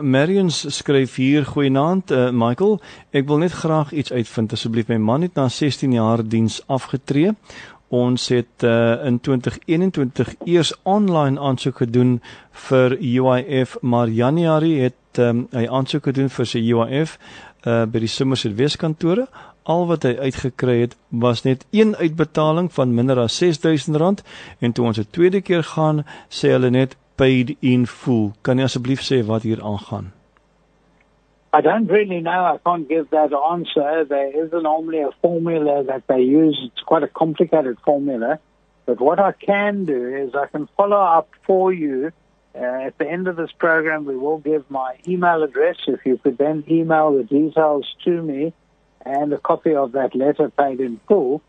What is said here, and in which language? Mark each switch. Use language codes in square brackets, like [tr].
[af] Marians skryf hier, goeienaand, Michael, ek wil net graag iets uitvind, asseblief, my man het na 16 jaar diens afgetree. Ons het in 2021 eers online aansoek gedoen vir UIF, maar Januarie het hy aansoek gedoen vir sy UIF by die Somerset Weeskantore. Al wat hy uitgekry het, was net een uitbetaling van minder as R6,000, en toe ons het tweede keer gaan, sê hulle net [en] paid in full. [af] Kan jy asseblief sê wat hier aangaan? [en] I don't really know. I can't give that answer. There isn't normally a formula that they use. It's quite a complicated formula. But what I can do is I can follow up for you. At the end of this program, we will give my email address. If you could then email the details to me and a copy of that letter paid in full,